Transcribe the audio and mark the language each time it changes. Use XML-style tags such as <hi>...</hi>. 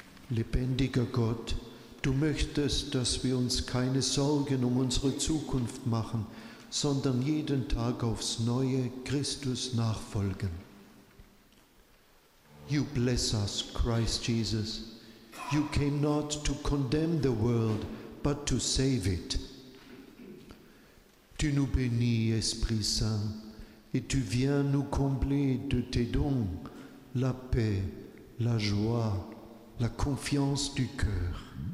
<de>Lebendiger Gott, du möchtest, dass wir uns keine Sorgen um unsere Zukunft machen, sondern jeden Tag aufs Neue Christus nachfolgen.</de> <en>You bless us, Christ Jesus. You came not to condemn the world, but to save it.</en> <fr>Tu nous bénis, Esprit Saint, et tu viens nous combler de tes dons, la paix, la joie, la confiance du cœur.</fr>